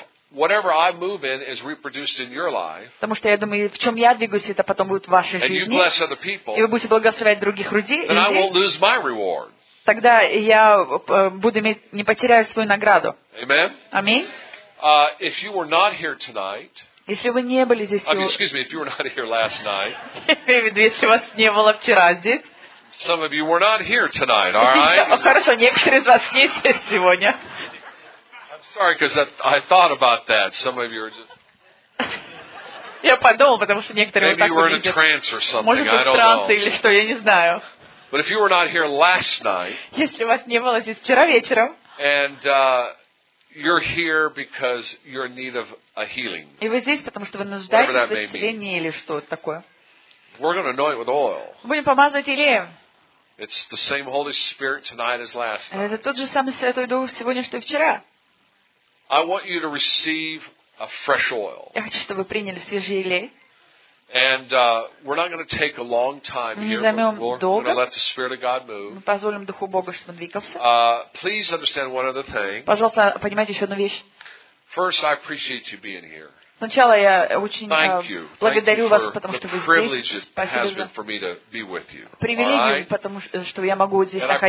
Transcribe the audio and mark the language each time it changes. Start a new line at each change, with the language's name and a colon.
English: Whatever I move in is reproduced in your life.
Russian: Потому что я думаю, в чем я двигаюсь, это потом будет в вашей жизни.
English: And you bless other people.
Russian: И вы будете благословлять других людей.
English: Then I won't lose my reward.
Russian: Тогда я буду иметь, не потеряю свою награду.
English: Amen.
Russian: Аминь.
English: If you were not here tonight.
Russian: Если вы не были здесь.
English: Excuse me. If you were not here last night.
Russian: Если вас не было вчера здесь.
English: Some of you were not here tonight. All right.
Russian: Хорошо, некоторые из вас не здесь сегодня.
English: Sorry, because I thought about that. Some of you are just.
Russian: Я подумал, потому что некоторые.
English: Maybe you were in a trance or something.
Russian: Может, в трансе или что, я не знаю.
English: But if you were not here last night.
Russian: Если вас не было здесь вчера вечером.
English: And you're here because you're in need of a healing.
Russian: И вы здесь, потому что вы нуждаетесь в исцелении или что такое.
English: We're going to anoint with oil.
Russian: Будем помазывать елеем.
English: It's the same Holy Spirit tonight as last night.
Russian: Это тот же самый Святой Дух сегодня, что и вчера.
English: I want you to receive a fresh oil.
Russian: Я хочу, чтобы вы приняли свежий елей.
English: And we're not going to take a long time here.
Russian: Мы не займем долго.
English: We're going to let the Spirit of God move.
Russian: Мы позволим Духу Бога, чтобы он двигался.
English: Please understand one other thing.
Russian: Пожалуйста, понимайте еще одну вещь.
English: First, I appreciate you being here.
Russian: Сначала я очень благодарю вас, потому что вы здесь. Спасибо за привилегию, потому что я могу здесь